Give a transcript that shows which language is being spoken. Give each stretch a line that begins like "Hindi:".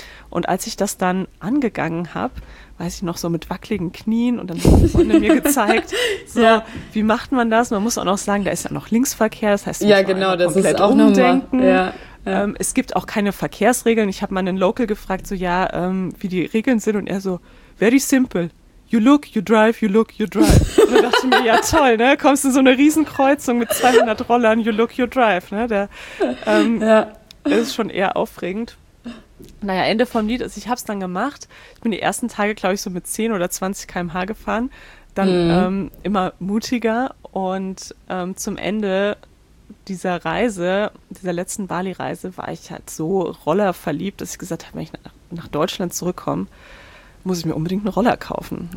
German: Und als ich das dann angegangen habe, weiß ich noch so mit wackeligen Knien und dann hat die Freundin mir gezeigt, so, wie macht man das? Man muss auch noch sagen, da ist ja noch Linksverkehr, das heißt, ja, genau, das komplett ist auch umdenken. Ja, ja. Es gibt auch keine Verkehrsregeln. Ich habe mal einen Local gefragt, so ja, wie die Regeln sind und er so,
English: very simple. You look, you drive, you look, you drive.
German: Und da dachte ich mir, ja toll, ne? Kommst in so eine Riesenkreuzung mit 200 Rollern,
English: you look, you drive.
German: Ne? Der, das ist schon eher aufregend. Naja, Ende vom Lied ist, ich habe es dann gemacht. Ich bin die ersten Tage, glaube ich, so mit 10 oder 20 km/h gefahren. Dann immer mutiger. Und zum Ende dieser Reise, dieser letzten Bali-Reise, war ich halt so rollerverliebt, dass ich gesagt habe, wenn ich nach Deutschland zurückkomme, muss ich mir unbedingt einen Roller kaufen.